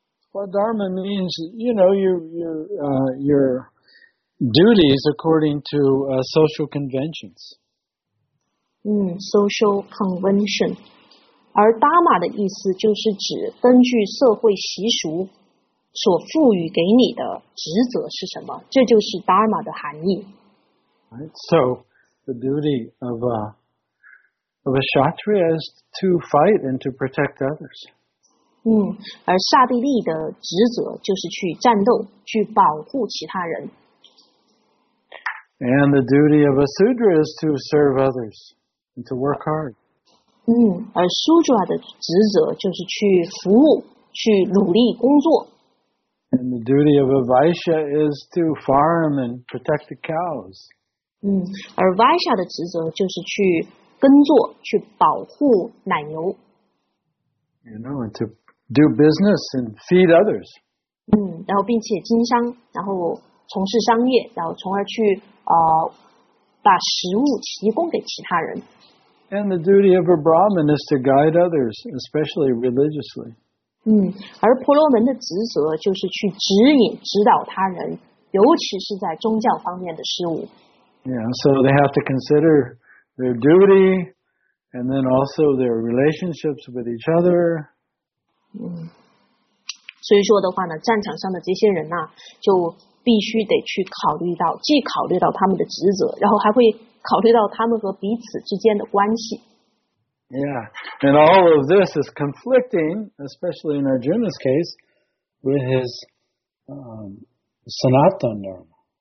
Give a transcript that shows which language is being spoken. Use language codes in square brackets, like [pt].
[en] Swadharma means, you know, your duties according to social conventions. Social convention. [zh] 而 dharma 的意思就是指根据社会习俗所赋予给你的职责是什么，这就是 dharma 的含义。 [en] Right, so the duty of a kshatriya is to fight and to protect others. [zh] 而刹帝利的职责就是去战斗，去保护其他人。 [en] And the duty of a sudra is to serve others and to work hard. [zh] 而 sudra 的职责就是去服务，去努力工作。 [en] And the duty of a vaishya is to farm and protect the cows. [zh] 而 vaishya 的职责就是去耕作，去保护奶牛。 [en] You know, and to do business and feed others. [zh] 然后并且经商，然后从事商业，然后从而去把食物提供给其他人。 [en] And the duty of a Brahmin is to guide others, especially religiously. [zh] 而婆罗门的职责就是去指引、指导他人，尤其是在宗教方面的事物。 [en] Yeah, so they have to consider their duty, and then also their relationships with each other. [zh] 所以说的话呢，战场上的这些人呢，就必须得去考虑到，既考虑到他们的职责，然后还会考虑到他们和彼此之间的关系。 [en] Yeah, and all of this is conflicting, especially in Arjuna's case, with his Sanatan Dharma.